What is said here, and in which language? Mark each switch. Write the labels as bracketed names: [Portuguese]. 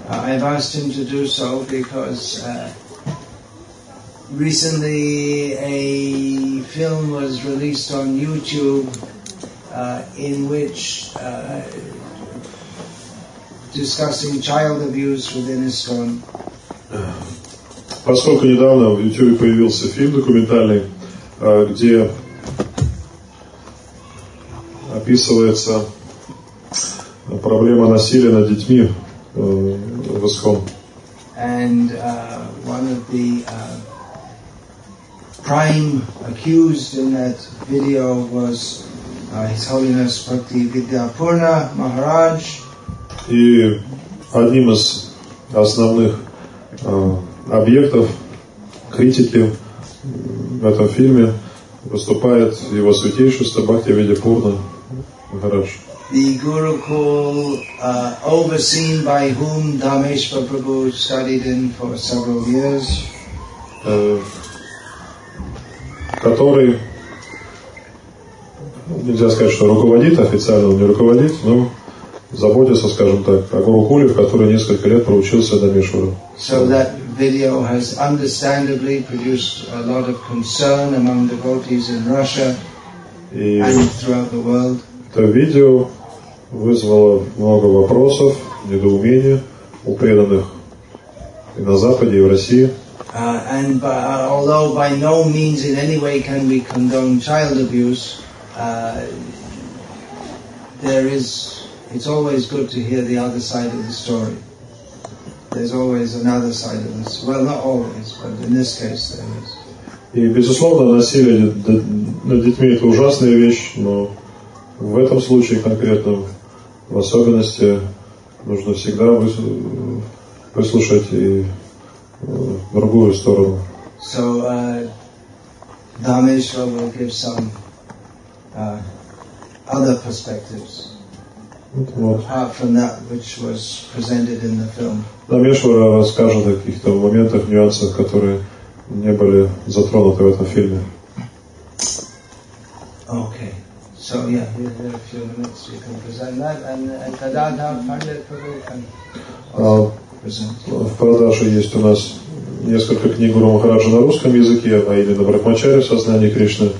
[English] I've asked him to do so because recently a film was released on YouTube in which discussing child abuse within ISKCON. [Russian] Поскольку недавно в YouTube появился фильм документальный, где описывается проблема насилия над детьми в ИСКОН. [English] And one of the prime accused in that video was His Holiness Bhakti Vidyapurna Maharaj. [Russian] И одним из основных объектов критики в этом фильме выступает его святейшество Бхакти Видьяпурна Махарадж. [English] The Gurukul overseen by whom Dhameshwar Prabhu studied in for several years. [Russian] Который, нельзя сказать, что руководит, официально он не руководит, но заботится, скажем так, о Гурукуле, в который несколько лет проучился Дамешвара. [English] So that video has understandably produced a lot of concern among devotees in Russia and throughout the world. [Russian] Это видео вызвало много вопросов, недоумения у преданных и на Западе, и в России. [English] And although by no means in any way can we condone child abuse, it's always good to hear the other side of the story. There's always another side of this. Well, not always, but in this case there is. [Russian] И безусловно, насилие над детьми это ужасная вещь, но в этом случае конкретно, в особенности, нужно всегда выслушать и другую сторону. [English] So Dhameshwar will give some other perspectives. Apart from that which was presented in the film. [Russian] Дамешвар расскажет о каких-то моментах, нюансах, которые не были затронуты в этом фильме. [English] Okay. So yeah, in a few minutes you can present that and Kadadha Pandit Prabhu can present. [Russian] В продаже есть у нас несколько книг Гуру Махараджа на русском языке, а именно Брахмачари в сознании Кришны.